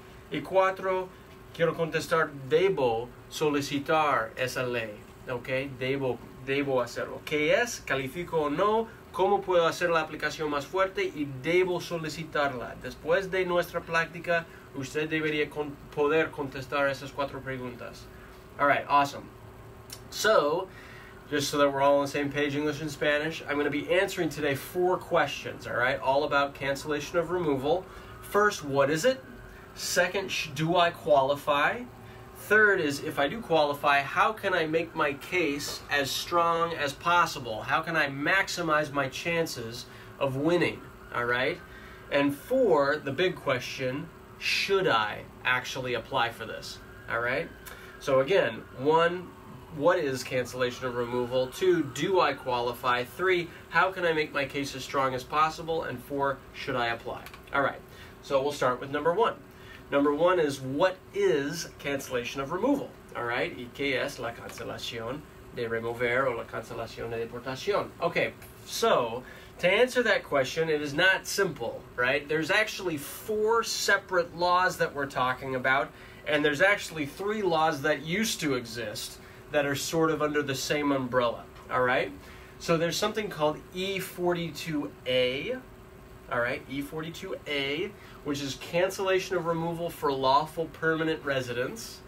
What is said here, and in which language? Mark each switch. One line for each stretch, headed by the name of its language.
Spanish: Y cuatro, quiero contestar, ¿debo solicitar esa ley? ¿Okay? ¿Debo hacerlo? ¿Qué es? ¿Califico o no? ¿Cómo puedo hacer la aplicación más fuerte y debo solicitarla? Después de nuestra práctica, usted debería poder contestar esas cuatro preguntas.
English: All right, awesome. So, just so that we're all on the same page, English and Spanish, I'm going to be answering today four questions, all right, all about cancellation of removal. First, what is it? Second, do I qualify? Third is, if I do qualify, how can I make my case as strong as possible? How can I maximize my chances of winning, all right? And four, the big question, should I actually apply for this, all right? So again, one, what is cancellation of removal? Two, do I qualify? Three, how can I make my case as strong as possible? And four, should I apply? All right, so we'll start with number one. Number one is, what is cancelation of removal?
Spanish: All right, ¿y qué es la cancelación de remover o la cancelación de deportación?
English: Okay, so to answer that question, it is not simple, right? There's actually four separate laws that we're talking about, and there's actually three laws that used to exist that are sort of under the same umbrella, all right? So there's something called E42A, all right, E42A, which is cancellation of removal for lawful permanent residents.